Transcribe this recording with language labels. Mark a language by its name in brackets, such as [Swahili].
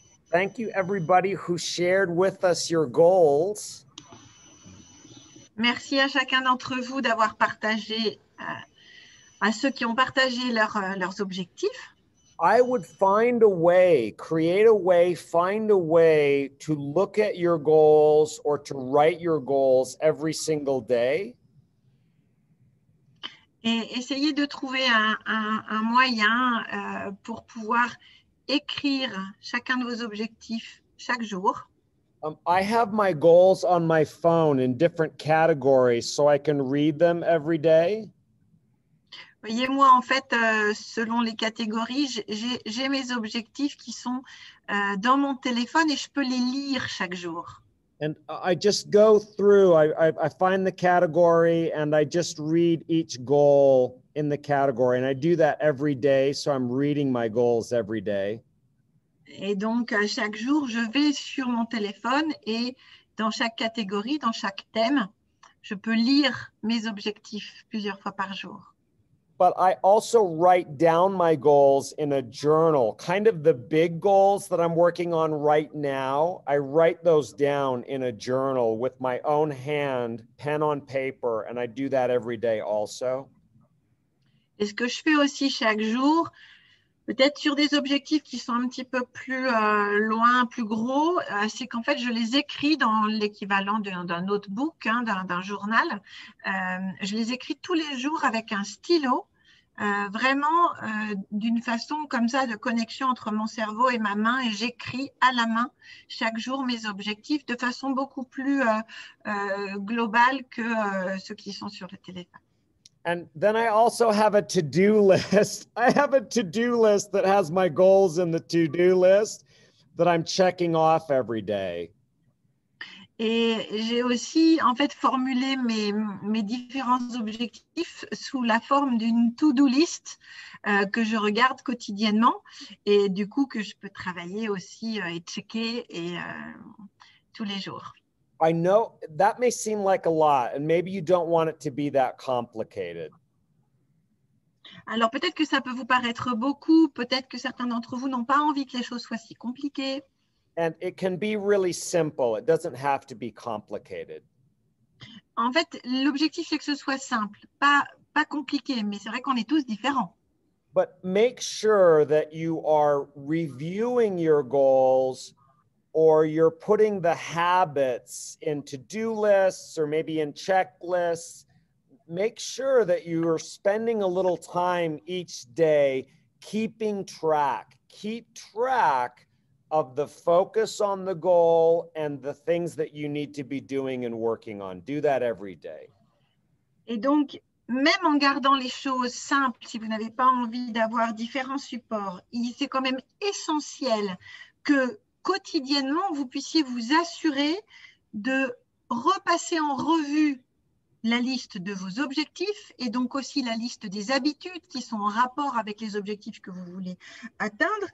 [English] Thank you, everybody who shared with us your goals. [French] Merci à chacun d'entre vous d'avoir partagé, à ceux qui ont partagé leurs objectifs. [English] I would find a way, create a way, find a way to look at your goals or to write your goals every single day. [French] Et essayez de trouver un moyen pour pouvoir écrire chacun de vos objectifs chaque jour. [English] I have my goals on my phone in different categories so I can read them every day. [French] Voyez, moi, en fait, selon les catégories, j'ai mes objectifs qui sont dans mon téléphone et je peux les lire chaque jour. [English] And I just go through, I find the category and I just read each goal in the category. And I do that every day, so I'm reading my goals every day. [French] Et donc, chaque jour, je vais sur mon téléphone et dans chaque catégorie, dans chaque thème, je peux lire mes objectifs plusieurs fois par jour. [English] But I also write down my goals in a journal, kind of the big goals that I'm working on right now. I write those down in a journal with my own hand, pen on paper, and I do that every day also. [French] Et ce que je fais aussi chaque jour, peut-être sur des objectifs qui sont un petit peu plus loin, plus gros, c'est qu'en fait, je les écris dans l'équivalent d'un notebook, hein, d'un journal. Je les écris tous les jours avec un stylo, vraiment d'une façon comme ça de connexion entre mon cerveau et ma main. Et j'écris à la main chaque jour mes objectifs de façon beaucoup plus globale que ceux qui sont sur le téléphone. [English] And then I also have a to-do list. I have a to-do list that has my goals in the to-do list that I'm checking off every day. [French] Et j'ai aussi, en fait, formulé mes différents objectifs sous la forme d'une to-do list que je regarde quotidiennement et du coup que je peux travailler aussi et checker et tous les jours. [English] I know that may seem like a lot, and maybe you don't want it to be that complicated. [French] Alors peut-être que ça peut vous paraître beaucoup, peut-être que certains d'entre vous n'ont pas envie que les choses soient si compliquées. [English] And it can be really simple. It doesn't have to be complicated. [French] En fait, l'objectif c'est que ce soit simple, pas compliqué, mais c'est vrai qu'on est tous différents. [English] But make sure that you are reviewing your goals or you're putting the habits in to-do lists or maybe in checklists. Make sure that you are spending a little time each day keeping track. Keep track of the focus on the goal and the things that you need to be doing and working on. Do that every day. [French] Et donc, même en gardant les choses simples, si vous n'avez pas envie d'avoir différents supports, c'est quand même essentiel que quotidiennement, vous puissiez vous assurer de repasser en revue la liste de vos objectifs et donc aussi la liste des habitudes qui sont en rapport avec les objectifs que vous voulez atteindre